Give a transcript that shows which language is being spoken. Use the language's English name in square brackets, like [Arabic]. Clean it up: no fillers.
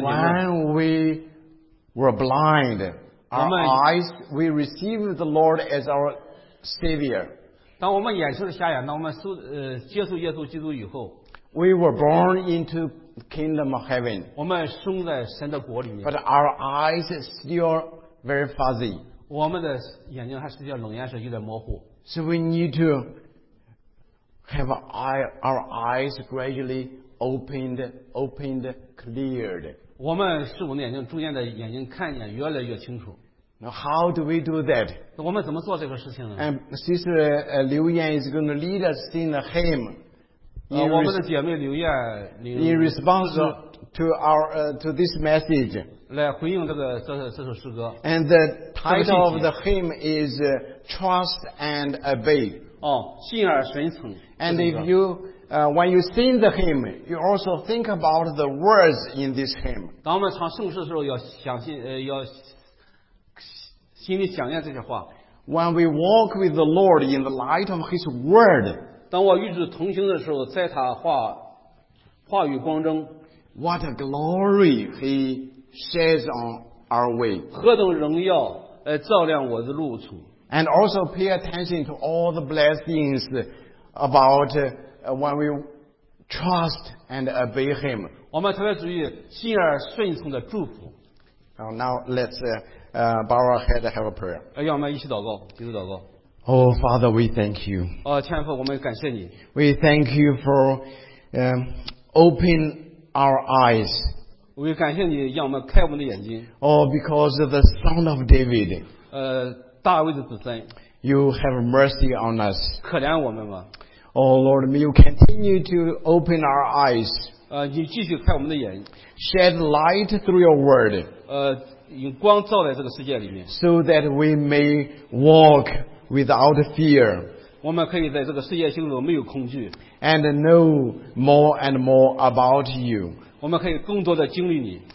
[English] 姐妹 when we were blind, our eyes, we received the Lord as our Savior. [Chinese] 当我们眼睛瞎眼，当我们接受耶稣基督以后 [English] we were born into Kingdom of heaven. [Chinese] 我们生在神的国里面。 [English] But our eyes are still very fuzzy. [Chinese] 我们的眼睛还是叫冷眼神，有点模糊。 [English] So we need to have our eyes gradually opened, cleared. [Chinese] 我们使我们眼睛逐渐的眼睛看见越来越清楚。 [English] Now how do we do that? [Chinese] 我们怎么做这个事情呢？ [English] And Sister Liu Yan is going to lead us sing a hymn. [Chinese] 我们的姐妹刘燕领 [English] in response to our to this message [Chinese] 来回应这首诗歌 [English] and the title of the hymn is Trust and Obey [Chinese] 信而顺从 [English] and if you when you sing the hymn you also think about the words in this hymn [Chinese] 当我们唱圣诗的时候要想信要心里想念这些话 [English] when we walk with the Lord in the light of his word [Chinese] 当我与主同行的时候，在他话语光中 [English] ，What a glory he sheds on our way！ [Chinese] 何等荣耀，照亮我的路途。 [English] And also pay attention to all the blessings about when we trust and obey him。 [Chinese] 我们特别注意信而顺从的祝福。 [English] Now let's bow our head and have a prayer。 [Chinese] 让我们一起祷告，一起祷告。 [English] Oh, Father, we thank you. [Chinese] 天父，我们感谢你。 [English] We thank you for open our eyes. [Chinese] 我感谢你让我们开我们的眼睛。 [English] Oh, because of the Son of David. [Chinese] 大卫的子孙。 [English] You have mercy on us. [Chinese] 可怜我们吧。 [English] Oh Lord, may you continue to open our eyes. [Chinese] 你继续开我们的眼。 [English] Shed light through your word. [Chinese] 用光照在这个世界里面。 [English] So that we may walk without fear. [Chinese] 我们可以在这个世界行走没有恐惧。 [English] And know more and more about you. [Chinese] 我们可以更多的经历你。